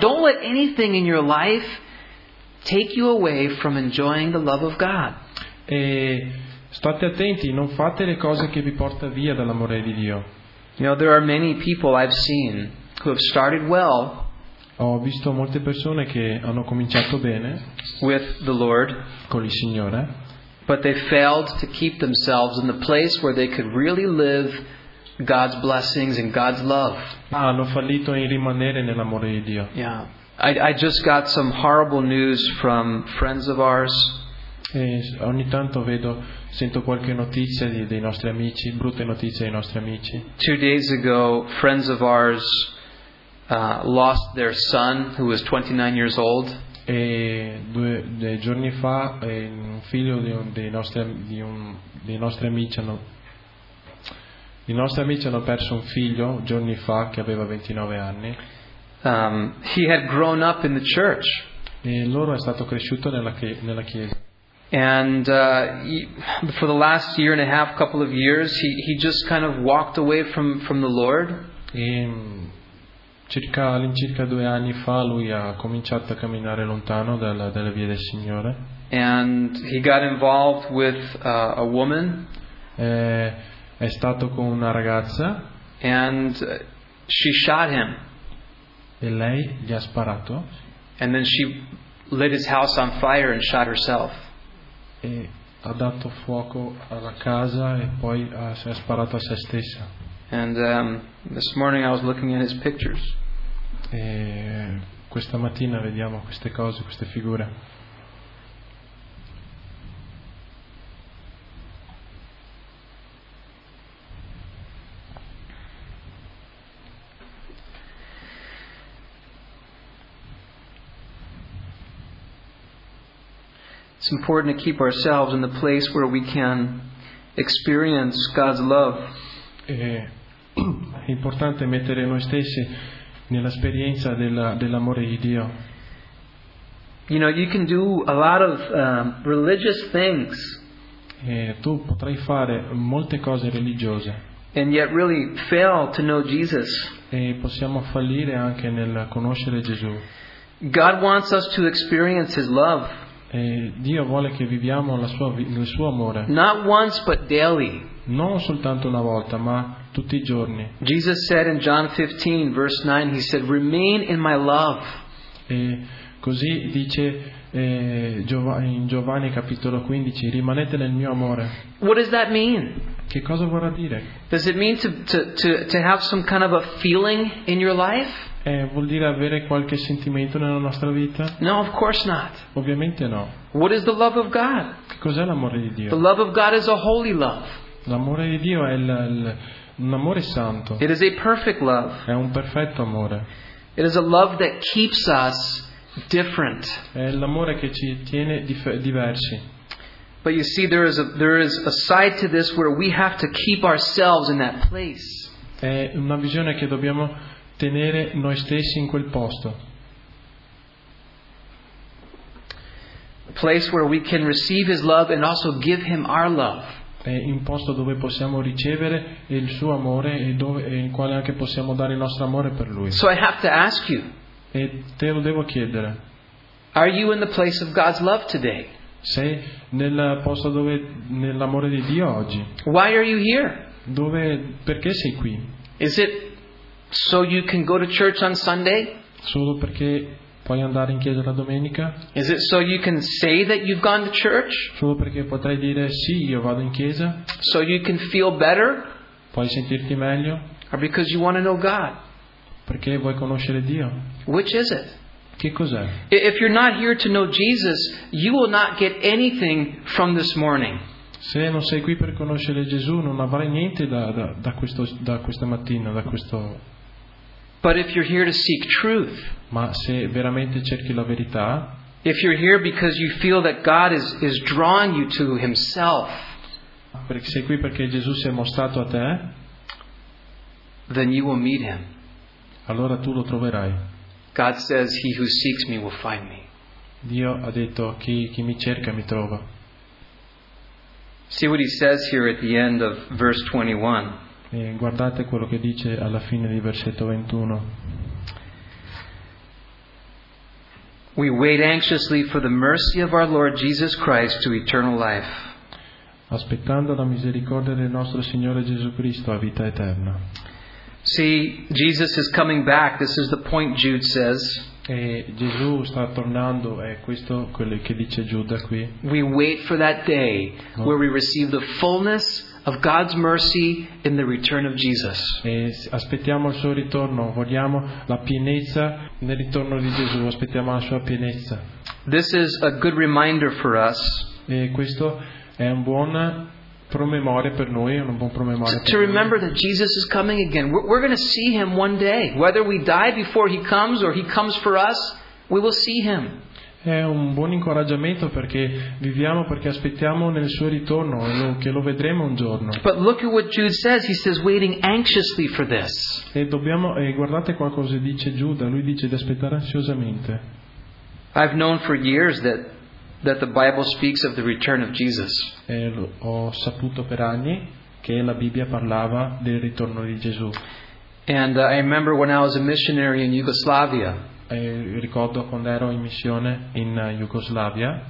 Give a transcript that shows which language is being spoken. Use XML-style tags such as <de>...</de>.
<en>Don't let anything in your life take you away from enjoying the love of God.</en> <it>State attenti, non fate le cose che vi porta via dall'amore di Dio.</it> <en>You know, there are many people I've seen who have started well.</en> <it>Ho visto molte persone che hanno cominciato bene</it> <en>with the Lord,</en> <it>con il Signore,</it> <en>but they failed to keep themselves in the place where they could really live God's blessings and God's love.</en> <it>Hanno fallito in rimanere nell'amore di Dio.</it> <en>Yeah. I just got some horrible news from friends of ours.</en> <it>E ogni tanto vedo, sento qualche notizia dei nostri amici, brutte notizie dei nostri amici.</it> <en>2 days ago, friends of ours lost their son, who was 29 years old.</en> <it>E due giorni fa, un figlio dei nostri amici hanno perso un figlio giorni fa che aveva 29 anni.</it> <en>He had grown up in the church.</en> <it>E loro è stato cresciuto nella chiesa.</it> <en>And for the last year and a half, couple of years, he just kind of walked away from the Lord.</en> <it>E circa all'incirca 2 anni fa lui ha cominciato a camminare lontano dalla via del Signore.</it> <en>And he got involved with a woman.</en> <it>È stato con una ragazza.</it> <en>And she shot him.</en> <it>E lei gli ha sparato.</it> <en>And then she lit his house on fire and shot herself.</en> <it>E ha dato fuoco alla casa e poi si è sparato a se stessa.</it> <en>And this morning I was looking at his pictures.</en> <it>E questa mattina vediamo queste cose, queste figure.</it> <en>It's important to keep ourselves in the place where we can experience God's love.</en> <it>È importante mettere noi stessi nell'esperienza dell'amore di Dio.</it> <en>You know, you can do a lot of religious things.</en> <it>E tu potrai fare molte cose religiose.</it> <en>And yet really fail to know Jesus.</en> <it>E possiamo fallire anche nel conoscere Gesù.</it> <en>God wants us to experience His love.</en> <it>E Dio vuole che viviamo il suo amore.</it> <en>Not once, but daily.</en> <it>Non soltanto una volta, ma tutti I giorni.</it> <en>Jesus said in John 15, verse 9, He said, "Remain in my love."</en> <it>E così dice in Giovanni capitolo 15, rimanete nel mio amore.</it> <en>What does that mean?</en> <it>Che cosa vorrà dire?</it> <en>Does it mean to have some kind of a feeling in your life?</en> <it>Vuol dire avere qualche sentimento nella nostra vita?</it> <en>No, of course not.</en> <it>Ovviamente no.</it> <en>What is the love of God?</en> <it>Che cos'è l'amore di Dio?</it> <en>The love of God is a holy love.</en> <it>L'amore di Dio è un amore santo.</it> <en>It is a perfect love.</en> <it>È un perfetto amore.</it> <en>It is a love that keeps us different.</en> <it>È l'amore che ci tiene diversi.</it> <en>But you see, there is a side to this where we have to keep ourselves in that place.</en> <it>È una visione che dobbiamo tenere noi stessi in quel posto.</it> <en>A place where we can receive His love and also give Him our love.</en> <it>È un posto dove possiamo ricevere il suo amore e in quale anche possiamo dare il nostro amore per Lui.</it> <en>So I have to ask you.</en> <it>E te lo devo chiedere.</it> <en>Are you in the place of God's love today?</en> <it>Sei nel posto dove nell'amore di Dio oggi?</it> <en>Why are you here?</en> <it>Dove, perché sei qui?</it> <en>Is it so you can go to church on Sunday?</en> <it>Solo perché puoi andare in chiesa la domenica?</it> <en>Is it so you can say that you've gone to church?</en> <it>Solo perché potrai dire sì, io vado in chiesa?</it> <en>So you can feel better?</en> <it>Puoi sentirti meglio?</it> <en>Or because you want to know God?</en> <it>Perché vuoi conoscere Dio?</it> <en>Which is it?</en> <it>Che cos'è?</it> <en>If you're not here to know Jesus, you will not get anything from this morning.</en> <it>Se non sei qui per conoscere Gesù, non avrai niente da questa mattina, da questo.</it> <en>But if you're here to seek truth,</en> <it>ma se veramente cerchi la verità,</it> <en>if you're here because you feel that God is drawing you to Himself,</en> <it>perché sei qui perché Gesù si è mostrato a te,</it> <en>then you will meet Him.</en> <it>Allora tu lo troverai.</it> <en>God says, "He who seeks me will find me."</en> <it>Dio ha detto, chi mi cerca mi trova.</it> <en>See what he says here at the end of verse 21.</en> <it>E guardate quello che dice alla fine di versetto 21.</it> <en>We wait anxiously for the mercy of our Lord Jesus Christ to eternal life.</en> <it>Aspettando la misericordia del nostro Signore Gesù Cristo a vita eterna.</it> <en>See, Jesus is coming back. This is the point Jude says.</en> <it>E Gesù sta tornando, è questo quello che dice Giuda qui.</it> <en>We wait for that day where we receive the fullness of God's mercy in the return of Jesus.</en> <it>E aspettiamo il suo ritorno, vogliamo la pienezza nel ritorno di Gesù, aspettiamo la sua pienezza.</it> <en>This is a good reminder for us.</en> <it>e questo è un buon promemoria per noi, un buon promemoria</it> <en>to remember that Jesus is coming again. We're going to see him one day, whether we die before he comes or he comes for us, we will see him.</en> <it>È un buon incoraggiamento perché viviamo, perché aspettiamo nel suo ritorno e che lo vedremo un giorno.</it> <en>But look at what Jude says. He says waiting anxiously for this.</en> <it>E dobbiamo, e guardate qua cosa dice Giuda. Lui dice di aspettare ansiosamente.</it> <en>I've known for years that the Bible speaks of the return of Jesus.</en> <it>E ho saputo per anni che la Bibbia parlava del ritorno di Gesù.</it> <en>And I remember when I was a missionary in Yugoslavia.</en> <it>E ricordo quando ero in missione in Jugoslavia.</it>